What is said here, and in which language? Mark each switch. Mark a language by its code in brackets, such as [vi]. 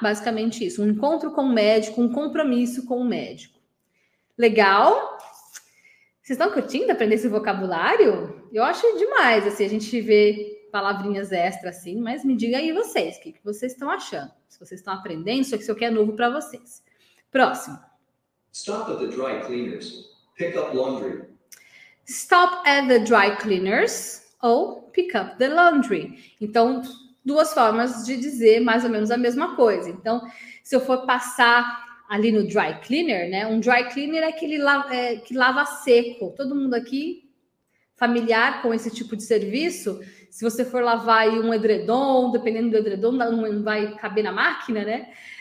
[pt] Basicamente isso, um encontro com o médico, um compromisso com o médico. Legal? Vocês estão curtindo aprender esse vocabulário? Eu acho demais, assim, a gente vê palavrinhas extras, assim, mas me diga aí vocês, o que vocês estão achando? Se vocês estão aprendendo, se isso aqui é novo para vocês. Próximo. [en] Stop at the dry cleaners. Pick up laundry. Stop at the dry cleaners ou pick up the laundry. Então, [pt] duas formas de dizer mais ou menos a mesma coisa. Então, se eu for passar ali no dry cleaner, né? Um dry cleaner é aquele que lava seco. Todo mundo aqui familiar com esse tipo de serviço? Se você for lavar aí um edredom, dependendo do edredom, não vai caber na máquina, né?